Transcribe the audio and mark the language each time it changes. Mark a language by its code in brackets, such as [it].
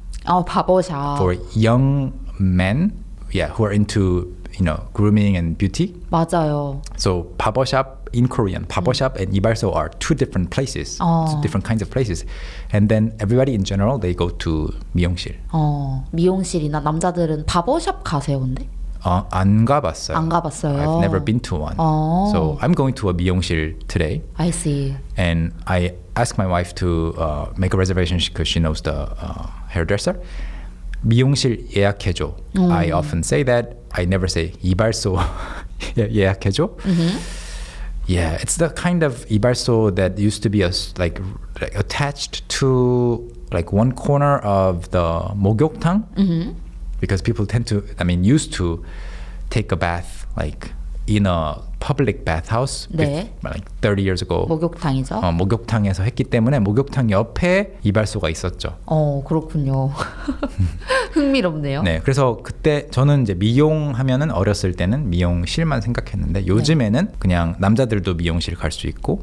[ko] 바보샵. [en] For young men, who are into, you know, grooming and beauty. [ko] 맞아요. [en] So 바보샵 in Korean, 바보샵 and 이발소 are two different places, different kinds of places. And then everybody in general, they go to 미용실. [ko] 미용실이나 남자들은 바보샵 가세요, 근데? 안 가봤어요. 안 가봤어요. [en] I've never been to one. So I'm going to a 미용실 today. I see. And I asked my wife to make a reservation because she knows the hairdresser. [ko] 미용실 예약해줘. [en] I often say that. I never say [ko] 이발소 예약해줘. [en] Yeah, it's the kind of 이발소 that used to be like attached to like one corner of the 목욕탕. Because people used to take a bath like in a public bathhouse [ko] 네. [en] like 30 years ago. [ko] 목욕탕이죠. 목욕탕에서 했기 때문에 목욕탕 옆에 이발소가 있었죠. 그렇군요. 흥미롭네요. 네, 그래서 그때 저는 이제 미용 하면은 어렸을 때는 미용실만 생각했는데 요즘에는 네. 그냥 남자들도 미용실 갈 수 있고.